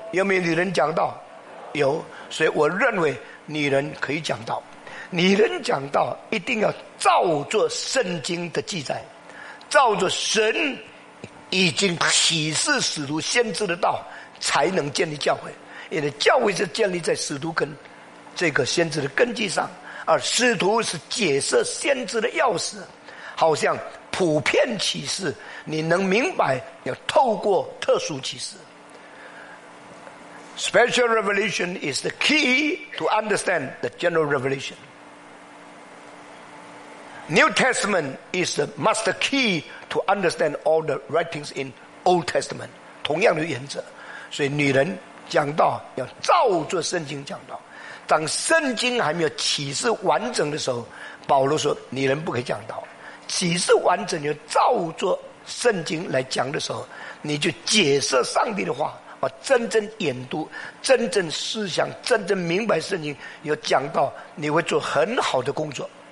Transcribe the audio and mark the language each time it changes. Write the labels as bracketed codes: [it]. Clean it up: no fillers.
[zh] 有没有女人讲道？有。所以我认为女人可以讲道，女人讲道一定要照着圣经的记载，照着神已经启示使徒先知的道，才能建立教会。因为教会是建立在使徒跟这个先知的根基上，而使徒是解释先知的钥匙，好像普遍启示你能明白，要透过特殊启示。 [en] Special revelation is the key to understand the general revelation. New Testament is the master key to understand all the writings in Old Testament. [zh] 同样的原则，所以女人讲道要照着圣经讲道。当圣经还没有启示完整的时候，保罗说女人不可以讲道，启示完整就照着圣经来讲的时候，你就解释上帝的话，把真正研读，真正思想，真正明白圣经，有讲道你会做很好的工作。